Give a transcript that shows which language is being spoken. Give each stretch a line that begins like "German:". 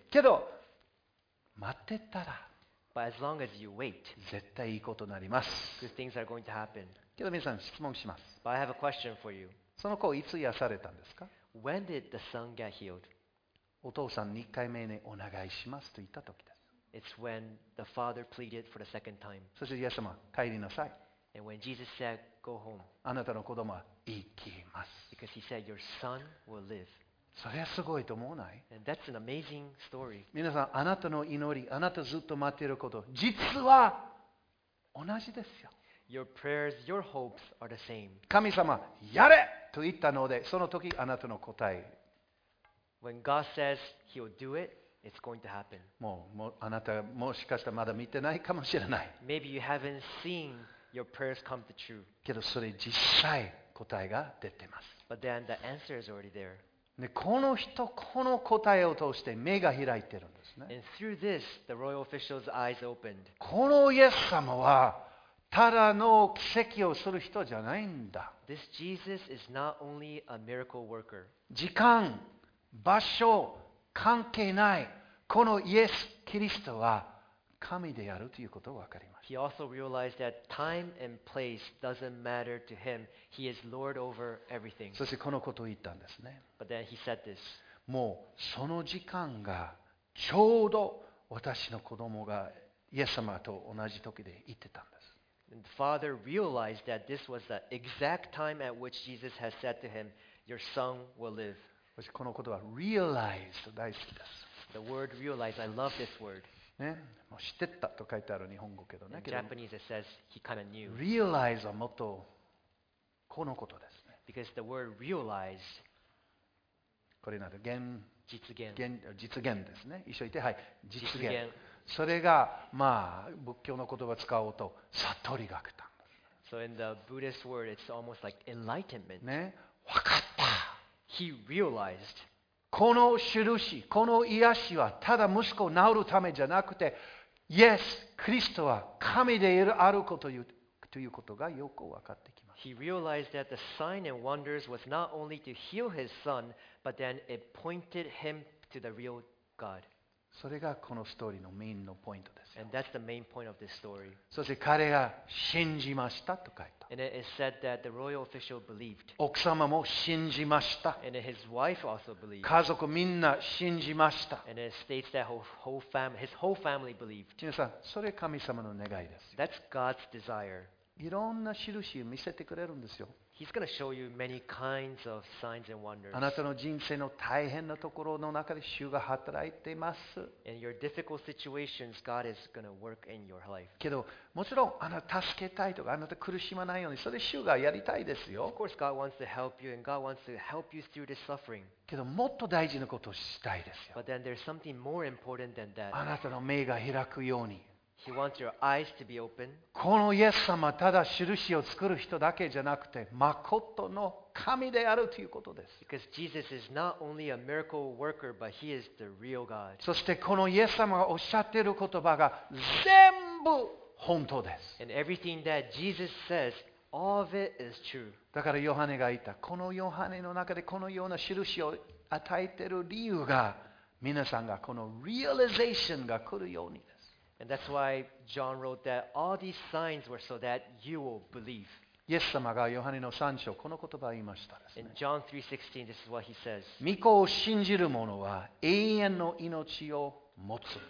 Japanese: けど待ってたら。
English: But as long as you wait,
Japanese: 絶対いいことになります。
English: Good things are going to happen.
Japanese: けど皆さん質問します。
English: But I have a question for you.
Japanese: その子いつ癒されたんですか
English: ？When did the son get healed?
Japanese: お父さん2回目にお願いしますと言った時です。
English: It's when the father pleaded for the second time.
Japanese: そしてイエス様帰りなさい。
English: And when Jesus said, "Go home."
Japanese: あなたの子供は生きます。
English: Because he said, "Your son will live."
Japanese: それはすごいと思わない
English: ？And that's an amazing story.
Japanese: 皆さんあなたの祈り、あなたずっと待っていること、実は同じですよ。
English: Your prayers, your hopes are the same.
Japanese: 神様、やれと言ったので、その時あなたの答え。
English: When God says He'll do it, it's going to happen.
Japanese: もうあなたもしかしたらまだ見てないかもしれない。
English: Maybe you haven't seen your prayers come to true.
Japanese: けどそれ実際答えが出てます。
English: But then the answer is already there.
Japanese: でこの人この答えを通して目が開いてるんですね。
English: And through this, the royal official's eyes opened.
Japanese: このイエス様は。ただの奇跡をする人じゃないんだ。
English: This Jesus is not only a miracle worker.
Japanese: 時間、場所、関係ない。このイエス・キリストは神であるということが分かります。
English: He also realized that time and place doesn't matter to him. He is Lord over everything.
Japanese: そしてこのことを言ったんですね。
English: But then he said this.
Japanese: もうその時間がちょうど私の子供がイエス様と同じ時で言ってたんです。
English: And the father realized that this was the exact time at which Jesus had said to him, "Your son will live."
Japanese: このことは realize 大好きです。
English: The word realize, I love this word.
Japanese: ね、もう知ってたと書いてある日本語けどね。
English: In Japanese, it says he kind of knew.
Japanese: Realize はもっとこのことですね。
English: Because the word realize,
Japanese: これなんだ、現実現、現実現ですね。一緒に言って、はい、実現。実現それがまあ仏教の言葉を使おうと悟りが来たんです。
English: So in the Buddhist word, it's almost like enlightenment.
Japanese: ね、分かった。
English: He realized.
Japanese: この印、この癒しはただ息子を治るためじゃなくて、イエス・キリストは神であることということがよく分かってきます。
English: He realized that the sign and wonders was not only to heal his son, but then it pointed him to the real God.
Japanese: それがこのストーリーのメインのポイントです。
English: And that's the main point of this story.
Japanese: そして彼が信じましたと書いた。
English: And it said that the royal official believed.
Japanese: 奥様も信じました。
English: And his wife also believed.
Japanese: 家族みんな信じました。
English: And it states that his whole family believed.
Japanese: 皆さん、それ神様の願いです。
English: That's God's desire.
Japanese: いろんな印を見せてくれるんですよ。
English: He's going to show you many kinds of signs and wonders.
Japanese: あなたの人生の大変なところの中で主が働いています。
English: In your difficult situations, God is going to work in your life.
Japanese: けどもちろんあなた助けたいとかあなた苦しまないようにそれ主がやりたいですよ。
English: Of course, God wants to help you and God wants to help you through this suffering.
Japanese: けどもっと大事なことをしたいですよ。
English: But then there's something more important than that.
Japanese: あなたの目が開くように。
English: He wants your eyes to be open.
Japanese: このイエス様ただ印を作る人だけじゃなくて真の神であるということです。
English: Because Jesus is not only a miracle worker, but he is the real God.
Japanese: そしてこのイエス様がおっしゃっている言葉が全部本当です。
English: And everything that Jesus says, all of it is true.
Japanese: だからヨハネが言った。このヨハネの中でこのような印を与えている理由が皆さんがこの realization が来るように。
English: And that's why John wrote that all these signs were so that you will believe.
Japanese: イエス様がヨハネの3章この言葉を言いましたですね。
English: In John 3:16, this is what he says.
Japanese: 御子を信じる者は永遠の命を持つ。